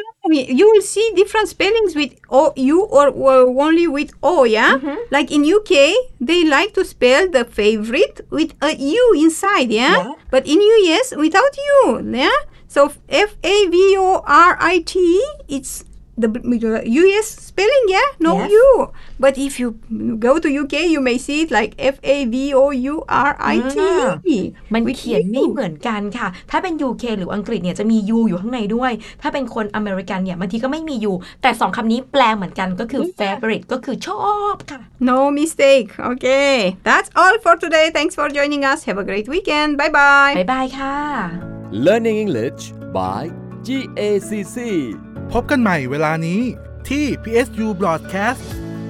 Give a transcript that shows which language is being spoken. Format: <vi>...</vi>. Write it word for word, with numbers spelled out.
<en>You will see different spellings with o u or only with o yeah like in U K they like to spell the favorite with a u inside yeah but in U S without u yeah so f a v o r I t it's the U S spelling yeah no u but if you go to U K you may see it like f a v o u r I t</en> <th>มันเขียนไม่เหมือนกันค่ะถ้าเป็น U K หรืออังกฤษเนี่ยจะมี u อยู่ข้างในด้วยถ้าเป็นคนอเมริกันเนี่ยบางทีก็ไม่มี u แต่สองคำนี้แปลเหมือนกันก็คือ favorite ก็คือชอบค่ะ</th> <en>No mistake okay that's all for today thanks for joining us have a great weekend bye bye bye bye ค่ะ Learning English by จี เอ ซี ซี</en> <th>พบกันใหม่เวลานี้ที่ พี เอส ยู Broadcast</th>